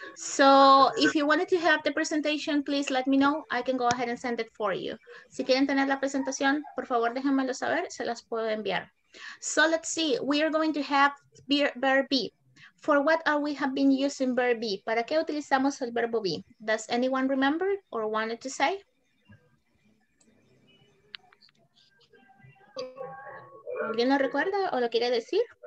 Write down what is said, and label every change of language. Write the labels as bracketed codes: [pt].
[en] So if you wanted to have the presentation, please let me know. I can go ahead and send it for you. [es] Si quieren tener la presentación, por favor, déjenmelo saber. Se las puedo enviar. [en] So let's see. We are going to have verb be. For what are we have been using verb be? [es] ¿Para qué utilizamos el verbo be? [en] Does anyone remember or wanted to say? [es] ¿Alguien lo recuerda o lo quiere decir?